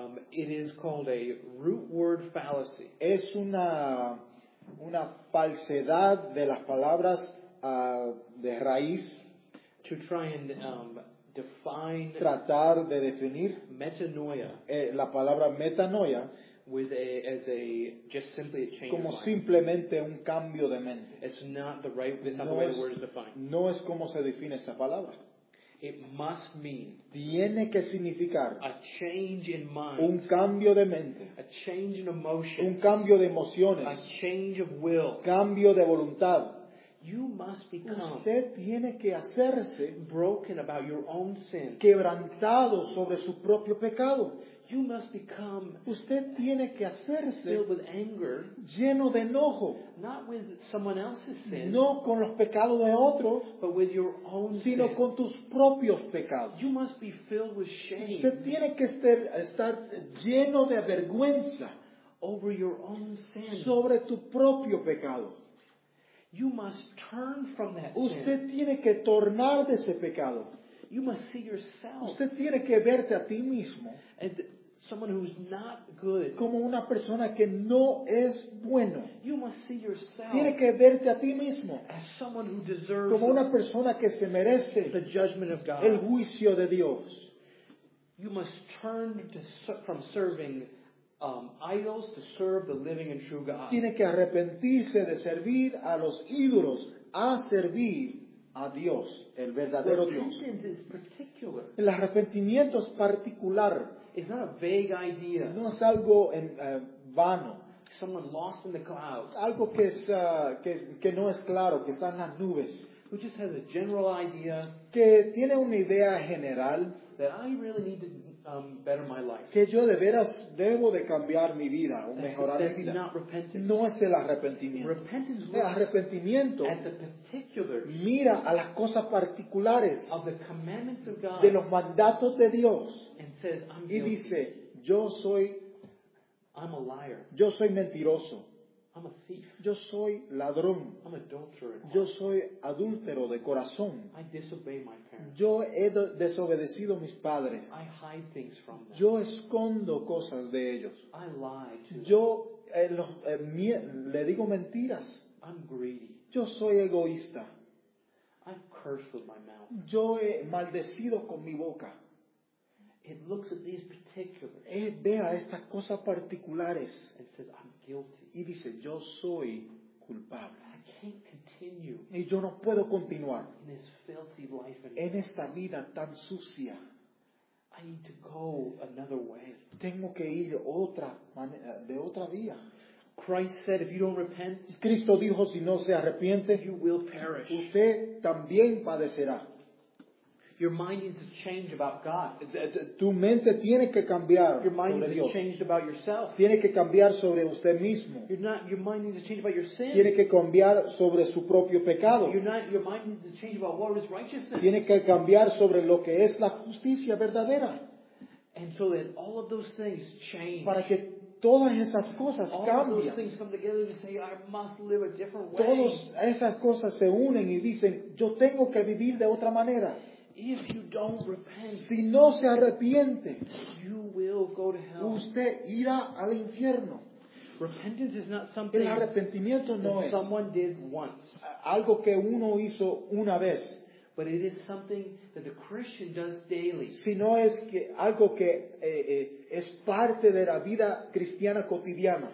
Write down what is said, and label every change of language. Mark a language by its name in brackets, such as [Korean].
[English] It is called a root word fallacy. [Spanish] Es una falsedad de las palabras de raíz. [English] To try and define, [Spanish] tratar de definir [English] metanoia, [Spanish] la palabra metanoia, [English] with as a just simply a change, [Spanish] como [English] of mind. [Spanish] Simplemente un cambio de mente. [English] It's not the right, it's not the way the word is defined. [Spanish] No es como se define esa palabra. [English] It must mean, [Spanish] tiene que significar, [English] a change in mind, [Spanish] un cambio de mente, [English] a change in emotions, [Spanish] un cambio de emociones, [English] a change of will, [Spanish] cambio de voluntad. [English] You must become, [Spanish] usted tiene que hacerse, [English] broken about your own sin, [Spanish] quebrantado sobre su propio pecado. [English] You must become, [Spanish] usted tiene que hacerse, [English] filled with anger, [Spanish] lleno de enojo, [English] not with someone else's sin, [Spanish] no con los pecados de otros, [English] but with your own [Spanish] sino [English] sin, [Spanish] con tus propios pecados. [English] You must be filled with shame. [Spanish] Usted tiene que estar lleno de vergüenza [English] over your own sin, [Spanish] sobre tu propio pecado. [English] You must turn from that sin. [Spanish] Usted tiene que tornar de ese pecado. [English] You must see yourself. [Spanish] Usted tiene que verte a ti mismo. [English] And someone who's not good. [Spanish] Como una persona que no es bueno. [English] You must see yourself. [Spanish] Tiene que verte a ti mismo. [English] As someone who deserves. [Spanish] Como una persona que se merece. [English] The judgment of God. [Spanish] El juicio de Dios. [English] You must turn from serving idols to serve the living and true God. [Spanish] Tiene que arrepentirse de servir a los ídolos a servir a Dios, el verdadero Dios. El arrepentimiento es particular. [English] It's not a vague idea. [Spanish] No es algo en vano. [English] Someone lost in the clouds. [Spanish] Algo que es, que no es claro, que está en las nubes. [English] Who just has a general idea? [Spanish] Que tiene una idea general. [English] That I really need to better my life. [Spanish] Que yo de veras debo de cambiar mi vida o mejorar mi vida. [English] Not repentance. [Spanish] No es el arrepentimiento. [English] Repentance, [Spanish] el arrepentimiento [English] at the particulars, [Spanish] mira a las cosas particulares [English] of the commandments of God, [Spanish] de los mandatos de Dios, [English] and says, I'm [Spanish] y dice, yo soy, [English] I'm a liar. [Spanish] Yo soy mentiroso. [English] I'm a thief. [Spanish] Yo soy ladrón. [English] I'm adulterer. [Spanish] Yo soy adúltero de corazón. [English] I disobey my parents. [Spanish] Yo he desobedecido a mis padres. [English] I hide things from them. [Spanish] Yo escondo cosas de ellos. [English] I lie to them. [Spanish] Yo le digo mentiras. [English] I'm greedy. [Spanish] Yo soy egoísta. [English] I've cursed with my mouth. [Spanish] Yo he maldecido con mi boca. [English] It looks at these particulars. [Spanish] Ve a estas cosas particulares. [English] It says, I'm guilty. [Spanish] Y dice, yo soy culpable. [English] I can't continue. [Spanish] Y yo no puedo continuar. [English] In this filthy life anymore. [Spanish] En esta vida tan sucia. [English] I need to go another way. [Spanish] Tengo que ir otra manera, de otra vía. [English] Christ said, if you don't repent, [Spanish] Cristo dijo, si no se arrepiente, [English] you will perish. [Spanish] Usted también padecerá. [English] Your mind needs to change about God. [Spanish] Tu mente tiene que cambiar. [English] Your mind needs to change about yourself. [Spanish] Tiene que cambiar sobre usted mismo. [English] Your mind needs to change about your sin. [Spanish] Tiene que cambiar sobre su propio pecado. [English] Your mind needs to change about what is righteousness. [Spanish] Tiene que cambiar sobre lo que es la justicia verdadera. [English] And so that all of those things change. [Spanish] Para que todas esas cosas cambien. [English] All those things come together to say, I must live a different way. [Spanish] Todas esas cosas se unen y dicen, yo tengo que vivir de otra manera. [English] If you don't repent, [Spanish] si no se arrepiente, [English] you will go to hell. [Spanish] Usted irá al infierno. [English] Repentance is not something [Spanish] el arrepentimiento [English] that [Spanish] no es [English] someone did once. [Spanish] Algo que uno hizo una vez. [English] But it is something that the Christian does daily. [Spanish] Sino es que algo que es parte de la vida cristiana cotidiana.